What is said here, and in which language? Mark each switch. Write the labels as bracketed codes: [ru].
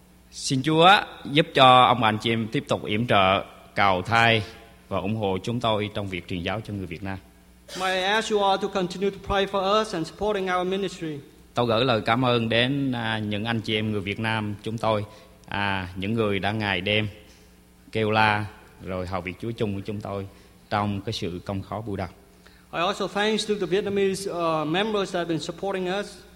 [vi] Xin Chúa giúp cho ông bà anh chị em tiếp tục yểm trợ, cầu thay và ủng hộ chúng tôi trong việc truyền giáo cho người Việt Nam. [en] May I ask you all to continue to pray for us and supporting our ministry. [vi] Tôi gửi lời cảm ơn đến những anh chị em người Việt Nam chúng tôi, những người đã ngày đêm kêu la rồi hầu việc Chúa chung với chúng tôi trong cái sự công khó bù đắp. [en] I also thanks to the Vietnamese members that have been supporting us.